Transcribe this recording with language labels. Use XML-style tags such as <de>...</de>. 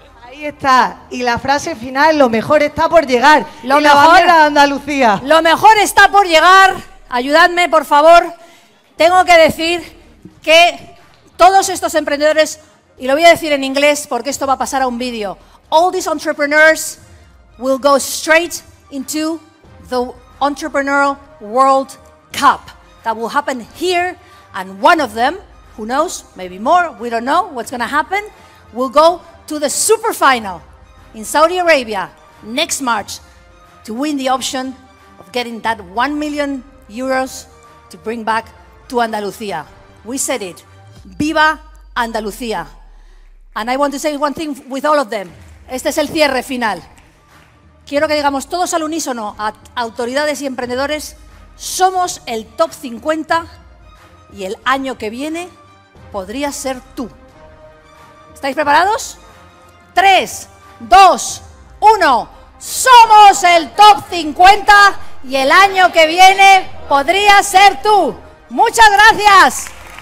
<es>Ahí está. Y la frase final, lo mejor está por llegar. Lo y mejor, la bandera de Andalucía. Lo mejor está por llegar. Ayudadme, por favor. Tengo que decir que todos estos emprendedores, y lo voy a decir en inglés porque esto va a pasar a un vídeo.</es> <en>All these entrepreneurs will go straight into the Entrepreneur World Cup. That will happen here, and one of them, who knows, maybe more, we don't know what's going to happen, will go to the Super Final in Saudi Arabia next March to win the option of getting that 1 million euros to bring back to Andalucía. We said it.</en> <es>Viva Andalucía.</es> <en>And I want to say one thing with all of them.</en> <es>Este es el cierre final. Quiero que digamos todos al unísono, a autoridades y emprendedores, somos el top 50 y el año que viene podría ser tú. ¿Estáis preparados? 3, 2, 1. Somos el top 50 y el año que viene podría ser tú. ¡Muchas gracias!</es>